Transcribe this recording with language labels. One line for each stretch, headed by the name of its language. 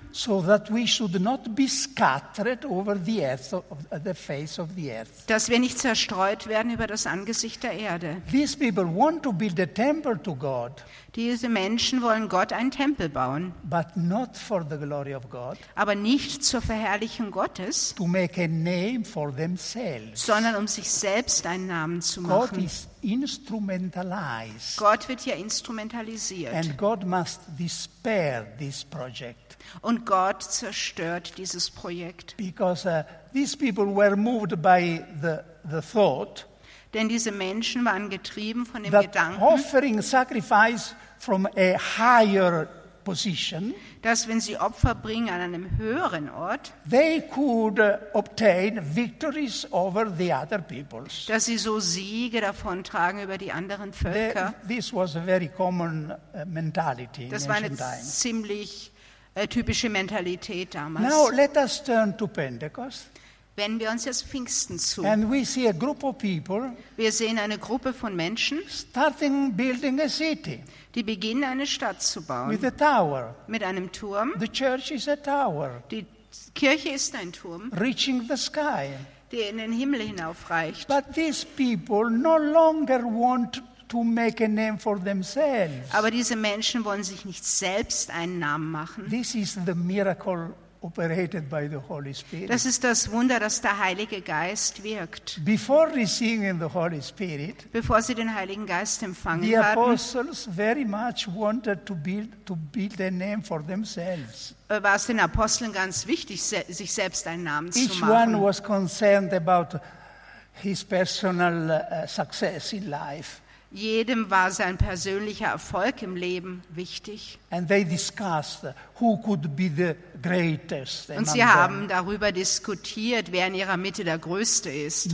English: So that we should not be scattered over the earth, the face of the earth.
German: Dass wir nicht zerstreut werden über das Angesicht der Erde.
English: These people want to build a temple to God.
German: Diese Menschen wollen Gott einen Tempel bauen.
English: But not for the glory of God.
German: Aber nicht zur Verherrlichung Gottes.
English: To make a name for themselves.
German: Sondern um sich selbst einen Namen zu machen.
English: God is instrumentalized.
German: Gott wird hier instrumentalisiert.
English: And God must despair this project.
German: Und Gott zerstört dieses Projekt.
English: Because these people were moved by the thought.
German: Denn diese Menschen waren getrieben von dem
English: that
German: Gedanken,
English: offering sacrifice from a higher position,
German: dass wenn sie Opfer bringen an einem höheren Ort,
English: they could obtain victories over the other peoples.
German: Dass sie so Siege davontragen über die anderen Völker.
English: This was a very common mentality in ancient times.
German: Das war eine ziemlich typische Mentalität damals.
English: Now let us turn to Pentecost.
German: wenden wir uns jetzt Pfingsten zu.
English: And we see a group of people,
German: wir sehen eine Gruppe von Menschen,
English: starting building a city,
German: die beginnen, eine Stadt zu bauen,
English: with a tower,
German: mit einem Turm.
English: The church is a tower,
German: die Kirche ist ein Turm,
English: reaching the sky,
German: der in den Himmel hinaufreicht.
English: But these people no longer want to make a name for themselves.
German: Aber diese Menschen wollen sich nicht selbst einen Namen machen.
English: This is the miracle operated by the Holy Spirit.
German: Das ist das Wunder, dass der Heilige Geist wirkt.
English: Before receiving the Holy Spirit,
German: bevor sie den Heiligen Geist empfangen
English: haben, the apostles very much wanted to build a name for themselves.
German: War es den Aposteln ganz wichtig, sich selbst einen Namen zu machen.
English: Each one was concerned about his personal success in life.
German: Jedem war sein persönlicher Erfolg im Leben wichtig.
English: And they discussed who could be the greatest.
German: Und sie haben darüber diskutiert, wer in ihrer Mitte der Größte ist.